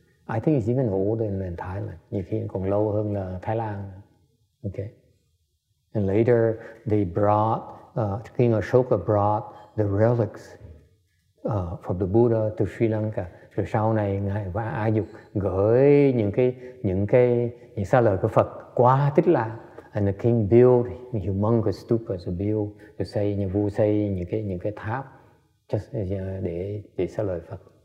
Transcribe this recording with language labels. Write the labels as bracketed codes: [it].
[en] I think it's even older than Thailand. [vi] Nhiều khi còn lâu hơn là Thái Lan. [en] Okay. And later they brought King Ashoka brought the relics from the Buddha to Sri Lanka. [vi] Rồi sau này ngài và A Dục gửi những sa lời của Phật qua Tích Lan. [en] And the king built humongous stupas, [vi] xây những cái tháp để xá lợi Phật.